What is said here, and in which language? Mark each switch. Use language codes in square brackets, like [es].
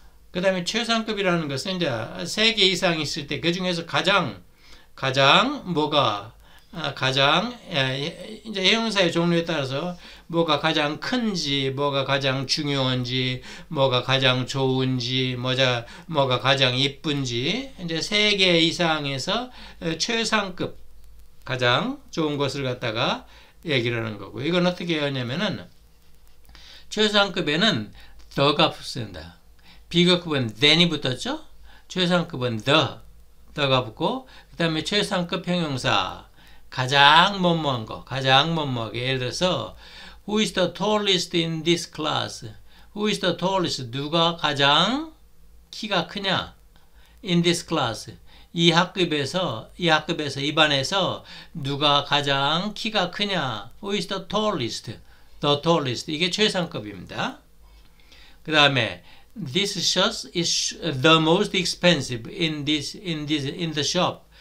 [ko] 그다음에 최상급이라는 것은 이제 3개 이상 있을 때그 중에서 가장 뭐가 가장 이제 형용사의 종류에 따라서 뭐가 가장 큰지, 뭐가 가장 중요한지, 뭐가 가장 좋은지, 뭐가 가장 이쁜지, 이제 3개 이상에서 최상급 가장 좋은 것을 갖다가 얘기를 하는 거고, 이건 어떻게 하냐면은 최상급에는 더가 붙습니다. 비급급은 then이 붙었죠? 최상급은 더가 붙고, 그 다음에 최상급 형용사. 가장 뭐뭐한 거, 가장 뭐뭐하게. 예를 들어서, [en] who is the tallest in this class? Who is the tallest? [ko] 누가 가장 키가 크냐? [en] In this class. [ko] 이 반에서 누가 가장 키가 크냐? [en] Who is the tallest? The tallest. [ko] 이게 최상급입니다. 그 다음에, [en] this shirt is the most expensive in the shop.